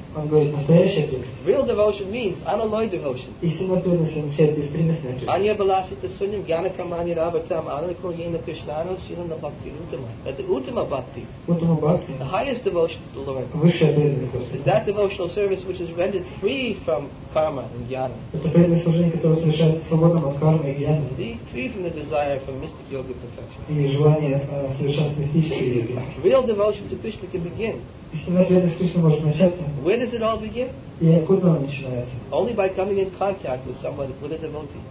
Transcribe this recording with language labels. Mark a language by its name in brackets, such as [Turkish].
[Russian] Он говорит, настоящая преданность. [English] Real devotion means unalloyed devotion. [Russian] Истинная преданность означает беспримесная преданность. [Sanskrit] Anya balasita sunyam gyanakamani ravatam anakulyena krishnano shirana bhakti uttama. [English] That the uttama bhakti. [Sanskrit] Uttama bhakti. [English] The highest devotion to the Lord. [Russian] Высшая преданность Господа. [English] Is that devotional service which is rendered free from karma and jnana. [Russian] Это преданное служение, которое совершается свободным от кармы и джняны. [English] Free from the desire for mystic yoga perfection. [Russian] И желание совершать мистические йоги. [English] Real devotion to Krishna can begin. [Russian] Истинная преданность Кришне может начаться. [English] Where does it all begin? [Russian] И откуда она начинается? [English] Only by coming in contact with somebody, with a devotee.